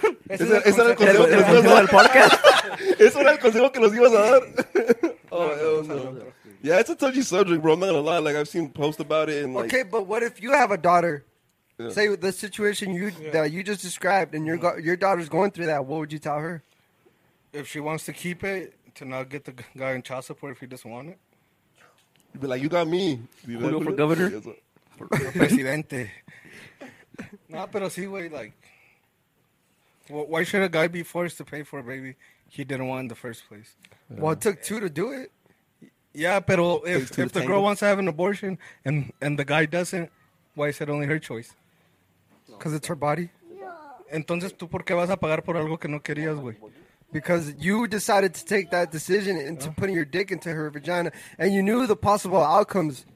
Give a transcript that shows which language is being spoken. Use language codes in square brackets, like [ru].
[es] Ese era el consejo que nos ibas a dar. Ese era el consejo que nos ibas a dar. [en] Oh, hell no. Yeah, it's a touchy subject, bro. I'm not gonna lie. Like, I've seen posts about it. And, like, okay, but what if you have a daughter? Yeah. Say the situation you that you just described, and your daughter's going through that. What would you tell her? If she wants to keep it, to not get the guy in child support if he doesn't want it. You'd be like, you got me. You know, for governor? [es] Presidente. No, pero sí, güey, [en] like, well, why should a guy be forced to pay for a baby he didn't want in the first place? Yeah. Well, it took two to do it. Yeah, but if the girl wants to have an abortion and the guy doesn't, why is it only her choice? Because it's her body. [es] Entonces, ¿tú por qué vas a pagar por algo que no querías, güey? [en] Because you decided to take that decision into putting your dick into her vagina, and you knew the possible outcomes.